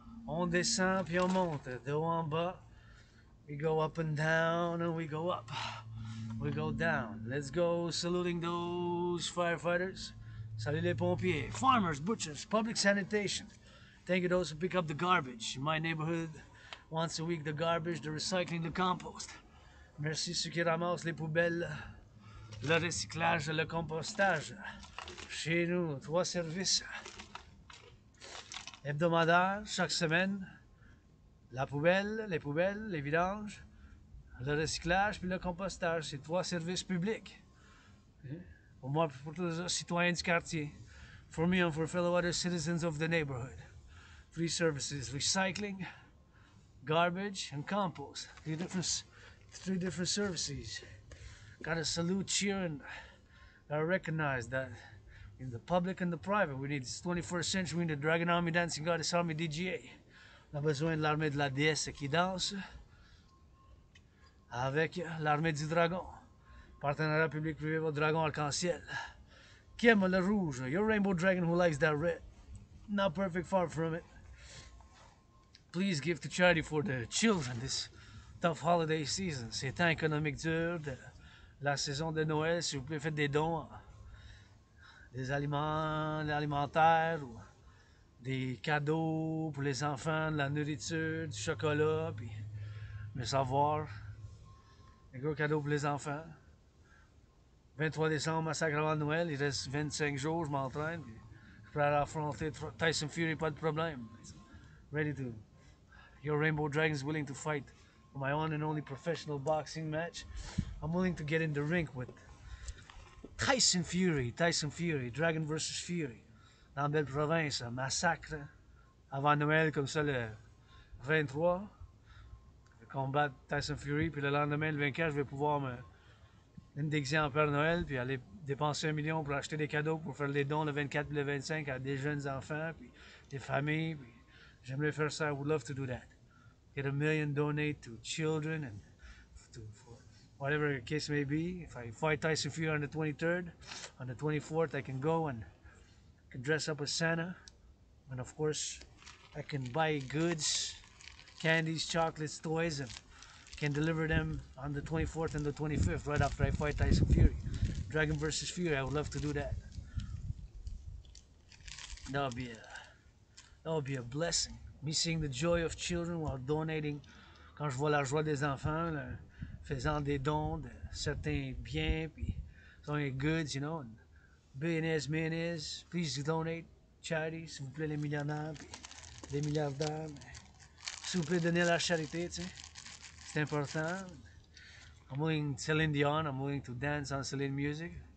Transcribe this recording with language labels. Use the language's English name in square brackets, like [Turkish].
[French] On descend puis on monte. De haut en bas. [English] We go up and down and we go up. we go down. Let's go saluting those firefighters. [French] Salut les pompiers, [English] farmers, butchers, public sanitation. Thank you to those who pick up the garbage. In my neighborhood, once a week, the garbage, the recycling, the compost. [French] Merci ceux qui ramassent les poubelles, le recyclage, le compostage. Chez nous, trois services. Hebdomadaire, chaque semaine, la poubelle, les vidanges, le recyclage puis le compostage. C'est trois services publics. Au moins pour tous les citoyens du quartier. [English] For me and for fellow other citizens of the neighborhood. Three services, recycling, garbage and compost. Three different services. Gotta salute here and gotta recognize that in the public and the private, we need this 21st century, we need the Dragon Army Dancing Goddess Army DGA. [French] On a besoin de l'armée de la déesse qui danse avec l'armée du dragon. Partenariat public privé, votre dragon arc-en-ciel. Qui aime le rouge? [English] Your rainbow dragon who likes that red. Not perfect, far from it. Please give to charity for the children this tough holiday season. [French] C'est temps économique dur de la saison de Noël. S'il vous plaît, faites des dons. Des aliments, l'alimentaire, ou des cadeaux pour les enfants, de la nourriture, du chocolat, puis mes savoirs. Un gros cadeau pour les enfants. 23 décembre, massacre avant Noël, il reste 25 jours, je m'entraîne. Puis je pourrais affronter Tyson Fury, pas de problème. [English] Ready to. Your Rainbow Dragon is willing to fight for my one and only professional boxing match. I'm willing to get in the ring with Tyson Fury, Dragon versus Fury. [French] Dans la belle province, massacre avant Noël, comme ça le 23. Je vais combattre Tyson Fury, puis le lendemain, le 24, je vais pouvoir me indexer en Père Noël, puis aller dépenser un million pour acheter des cadeaux, pour faire des dons le 24 et le 25 à des jeunes enfants, puis des familles. Puis j'aimerais faire ça, [English] I would love to do that. Get a million donate to children and to for whatever the case may be. If I fight Tyson Fury on the 23rd, on the 24th, I can go and I can dress up as Santa. And of course, I can buy goods, candies, chocolates, toys, and can deliver them on the 24th and the 25th, right after I fight Tyson Fury. Dragon versus Fury, I would love to do that. That would be a blessing. Me seeing the joy of children while donating. [French] Quand je vois la joie des enfants, là, faisant des dons de certains biens, puis certains [English] goods, you know. Billionaires, millionaires, please donate. [French] Charity, s'il vous plaît, les millionnaires, puis les milliardaires. Mais, s'il vous plaît, donnez la charité, tu sais. C'est important. [English] I'm willing to Celine Dion, I'm willing to dance on Celine music.